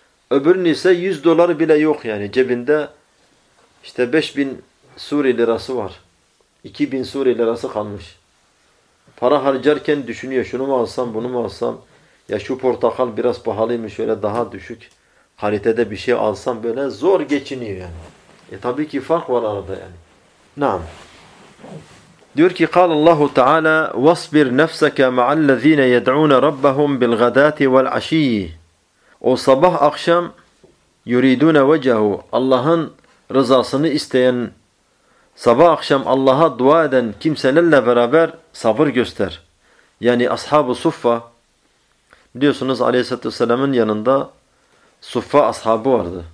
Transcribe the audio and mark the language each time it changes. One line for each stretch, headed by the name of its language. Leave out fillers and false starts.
Turkish: Öbürünün ise 100 doları bile yok yani cebinde. İşte 5000 Suri lirası var. 2000 Suri lirası kalmış. Para harcarken düşünüyor şunu mu alsam, bunu mu alsam? Ya şu portakal biraz pahalıymış, şöyle daha düşük kalitede bir şey alsam, böyle zor geçiniyor yani. E tabii ki fark var arada yani. Naam. Diyor ki
Arabic: قال الله تعالى واصبر نفسك مع الذين يدعون ربهم بالغداة والعشي.
Turkish: O sabah akşam
Arabic: yuridune vecehu,
Turkish: Allah'ın rızasını isteyen, sabah akşam Allah'a dua eden kimselerle beraber sabır göster. Yani ashab-ı suffa, biliyorsunuz aleyhissalatü vesselamın yanında suffa ashabı vardı.